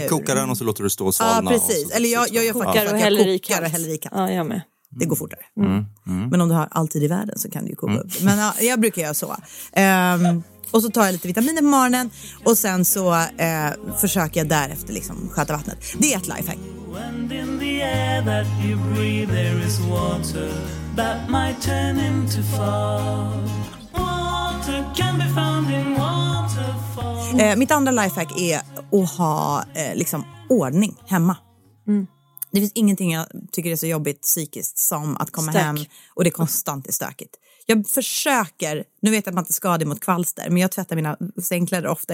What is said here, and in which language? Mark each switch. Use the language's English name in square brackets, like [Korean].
[Swedish] Du kokar den och så låter du stå och svalna. Ja, precis, eller jag kokar och häller i kallt. Ja, jag med. Det går fortare. Mm. Mm. Men om du har alltid i världen så kan du ju koka upp. Men jag brukar göra så. Och så tar jag lite vitaminer på morgonen och sen så försöker jag därefter liksom sköta vattnet. Det är ett lifehack. [English] And in the air that you breathe there is water that might turn into fog. Water can be found in waterfall. [Swedish] Mitt andra lifehack är att ha liksom ordning hemma. Mm. Det finns ingenting jag tycker är så jobbigt psykiskt som att komma hem och det konstant är stökigt. Jag försöker, nu vet jag att man inte ska det mot kvalster, men jag tvättar mina sängkläder ofta.